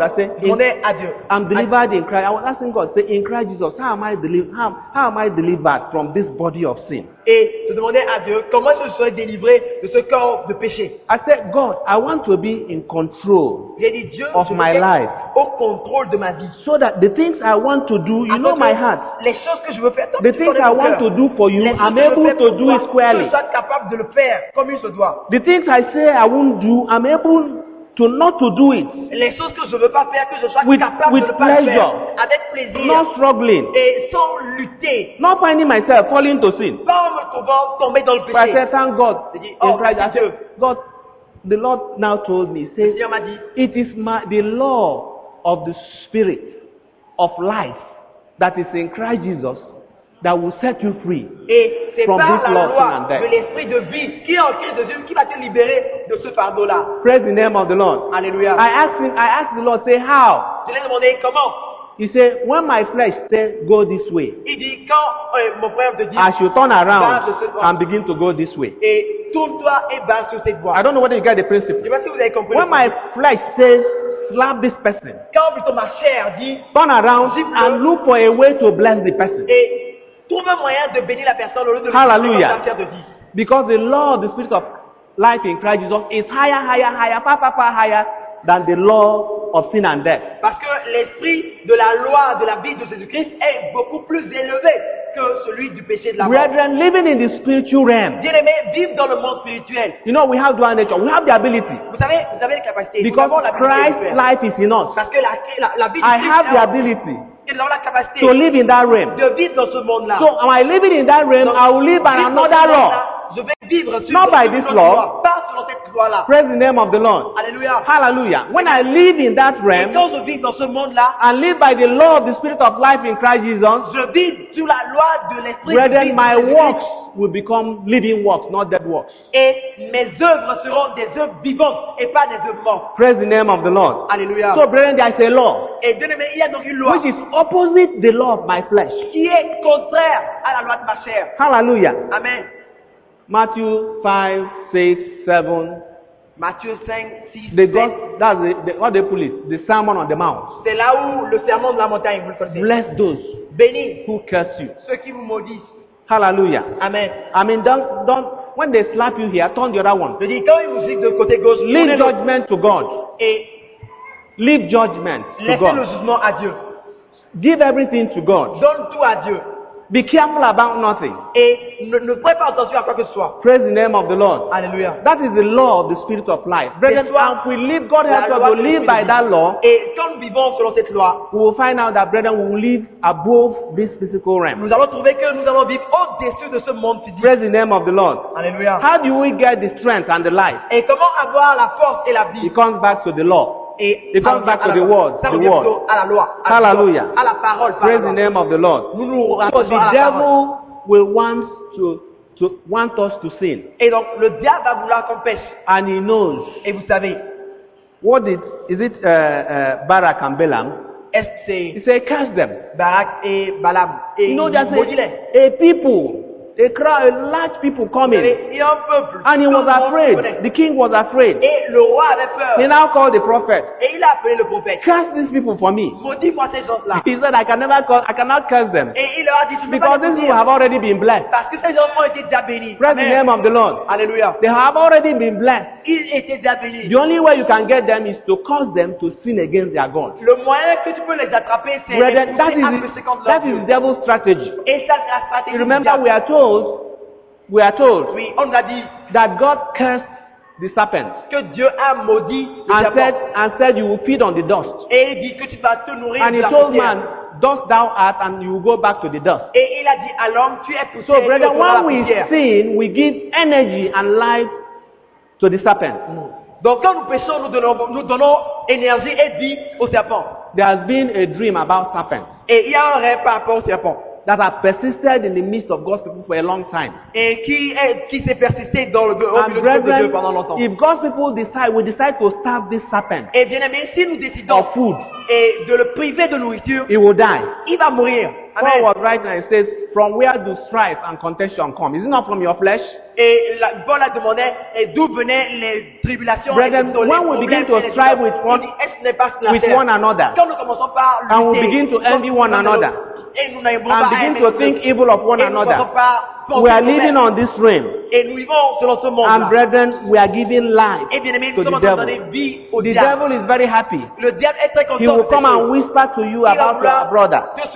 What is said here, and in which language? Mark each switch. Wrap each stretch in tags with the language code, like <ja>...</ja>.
<en>I said, "I'm delivered in Christ." I was asking God, "Say in Christ Jesus, how am I delivered from this body of sin?"</en> <fr>Et je demandais à Dieu comment je serais délivré de ce corps de péché.</fr> <en>I said, "God, I want to be in control of my life,</en> <fr>au contrôle de ma vie,</fr> <en>so that the things I want to do, you know my heart,</en> <fr>les choses que je veux faire,</fr> <en>the things I want to do for you, I'm able to do it squarely.</en> <fr>Je suis capable de le faire comme il se doit.</fr> <en>The things I say I won't do, I'm able to not to do it.</en> <fr>Les choses que je veux pas faire, que je sois capable</fr> <en>with</en> <fr>de le pas faire, avec plaisir,</fr> <en>not struggling,</en> <fr>et sans lutter,</fr> <en>not finding myself falling into sin.</en> <fr>Pas me trouvant tomber dans le péché.</fr> <en>I said, thank God.</en> <fr>Oh, Christ, Dieu. Said,</fr> <en>God, the Lord now told me, says, it is the law of the spirit of life that is in Christ Jesus that will set you free from this law of sin and death.</en> <fr>De l'esprit de vie qui est en Christ Jésus qui va te libérer de ce fardeau là.</fr> <en>Praise the name of the Lord.</en> <fr>Alléluia.</fr> <en>I asked the Lord, say how?</en> <fr>Je l'ai demandé comment?</fr> <en>He said, when my flesh says go this way,</en> <fr>il dit, quand, mon frère te dit,</fr> <en>as you turn around and begin to go this way,</en> <fr>et tourne-toi et va sur cette voie.</fr> <en>I don't know whether you get the principle.</en> <fr>Je sais pas si vous avez compris.</fr> <en>When my flesh says slap this person,</en> <fr>quand plutôt ma chair dit,</fr> <en>turn around and look for a way to bless the person.</en> <fr>Et trouve un moyen de bénir la personne au lieu de lui faire de vie.</fr> <en>Because the law of the spirit of life in Christ Jesus is higher than the law of sin and death.</en> <fr>Parce que l'esprit de la loi de la vie de Jésus-Christ est beaucoup plus élevé que celui du péché de la mort.</fr> <en>Brethren, living in the spiritual realm.</en> <fr>Bien-aimés, vivre dans le monde spirituel.</fr> <en>You know, we have dual nature. We have the ability.</en> <fr>Vous avez les capacités.</fr> <en>Because Christ's life is in us.</en> <fr>Parce que la vie de Christ.</fr> <en>I have the ability.</en> <fr>La</fr> <en>to live in that realm.</en> <fr>De vivre dans ce monde-là.</fr> <en>So am I living in that realm?</en> <fr>Donc,</fr> <en>I will live by another law.</en> <fr>Je vais vivre sur</fr> <en>not by this law.</en> <fr>Pas selon cette loi-là.</fr> <en>Praise the name of the Lord.</en> <fr>Alleluia.</fr> <en>Hallelujah. When I live in that realm,</en> <fr>et quand je vis dans ce monde-là,</fr> <en>and live by the law of the spirit of life in Christ Jesus,</en> <fr>je vis sous la loi de l'esprit.</fr> <en>Brethren, my works will become living works, not dead works.</en> <fr>Et mes œuvres seront des œuvres vivantes et pas des œuvres mortes.</fr> <en>Praise the name of the Lord.</en> <fr>Alléluia.</fr> <en>So brethren, there is a law.</en> <fr>Et bien aimé, il y a donc une loi</fr> <en>which is opposite the law of my flesh.</en> <fr>Qui est contraire à la loi de ma chair.</fr> <en>Hallelujah.</en> <fr>Amen.</fr> <en>Matthew 5, 6, 7. Matthew 5, 6, 7. The God, that's the what they call it, the Sermon on the Mount.</en> <fr>C'est là où le sermon de la montagne, vous le connaissez.</fr> <en>Bless those</en> <fr>bénis</fr> <en>who curse you.</en> <fr>Ceux qui vous maudissent.</fr> <en>Hallelujah.</en> <fr>Amen.</fr> <en>I mean, don't when they slap you here, turn the other one.</en> <fr>Je dis, quand ils vous disent de côté gauche,</fr> <en>leave judgment to God.</en> <fr>Et</fr> <en>leave judgment to God.</en> <fr>Laissez le jugement à Dieu.</fr> <en>Give everything to God.</en> <fr>Donne tout à Dieu.</fr> <en>Be careful about nothing.</en> <fr>Et ne prenez pas attention à quoi que ce soit.</fr> <en>Praise the name of the Lord.</en> <fr>Alléluia.</fr> <en>That is the law of the spirit of life. Brethren, if we live, God help us to live by that law.</en> <fr>Et quand nous vivons selon cette loi,</fr> <en>we will find out that brethren, we will live above this physical realm.</en> <fr>Nous allons trouver que nous allons vivre au-dessus de ce monde physique.</fr> <en>Praise the name of the Lord.</en> <fr>Alléluia.</fr> <en>How do we get the strength and the life?</en> <fr>Et comment avoir la force et la vie?</fr> <en>It comes back to the law.</en> <fr>Et</fr> <en>it comes back to the word. The word.</en> <fr>À la loi, à</fr> <en>hallelujah.</en> <fr>À la parole,</fr> <en>praise the name of the Lord.</en> <fr>Nous</fr> <en>so the devil will want us to sin.</en> <fr>Et donc, le diable va vouloir qu'on pêche.</fr> <en>And he knows.</en> <fr>Et vous savez,</fr> <en>What did, is it Barak and Balaam?</en> <fr>Est-ce</fr> <en>he said, curse them.</en> <fr>Barak et Balaam. Et</fr> <en>no, just a people. A crowd, a large people coming. And he was afraid. The king was afraid.</en> <fr>Et le roi avait peur.</fr> <en>He now called the prophet.</en> <fr>Et il a appelé le prophète.</fr> <en>Curse these people for me.</en> <fr>Maudis-moi ces gens-là.</fr> <en>He said, I cannot curse them.</en> <fr>Et il leur a dit,</fr> <en>because these people have already been blessed.</en> <fr>Parce que ces gens ont été déjà bénis.</fr> <en>Praise the name of the Lord.</en> <fr>Alleluia.</fr> <en>They have already been blessed.</en> <fr>Ils étaient déjà bénis.</fr> <en>The only way you can get them is to cause them to sin against their God.</en> <fr>Le moyen que tu peux les attraper, c'est</fr> <en>brethren, that is the devil's strategy.</en> <fr>Et ça, la stratégie.</fr> <en>You remember,</en> <fr>diable.</fr> <en>We are told</en> <fr>oui, on a dit</fr> <en>that God cursed the serpent,</en> <fr>que Dieu a maudit</fr> <en>and said you will feed on the dust.</en> <fr>Et il dit que tu vas te nourrir</fr> <en>and</en> <fr>de</fr> <en>he</en> <fr>la</fr> <en>told</en> <fr>poussière.</fr> <en>Man, dust thou art and you will go back to the dust.</en> <fr>Et il a dit, à l'homme, tu es poussé.</fr> <en>So brother, when we sin, we give energy and life to the serpent.</en> <fr>Donc quand nous péchons, nous donnons énergie et vie au serpent.</fr> <en>There has been a dream about serpent.</en> <fr>Et il y a un rêve par rapport au serpent.</fr> <en>That have persisted in the midst of God's people for a long time.</en> <fr>Et qui s'est persisté dans le milieu de Dieu pendant longtemps.</fr> <en>If God's people decide to starve this serpent.</en> <fr>Et bien aimé, si nous décidons</fr> <en>of food,</en> <fr>et de le priver de nourriture,</fr> <en>he will die.</en> <fr>Il va mourir.</fr> <en>Paul was right now. He says, from where do strife and contention come? Is it not from your flesh?</en> <fr>Et Paul a demandé, et d'où venaient les tribulations?</fr> <en>Brethren,</en> <fr>et</fr> <en>when we begin to strive with one,</en> <fr>dit, n'est pas</fr> <en>with one another,</en> <fr>quand nous commençons par lutter,</fr> <en>and we begin to envy one another, and begin to think evil of one another, we are living on this realm. And brethren, we are giving life to the devil. The devil is very happy. He will come and whisper to you about your brother.</en>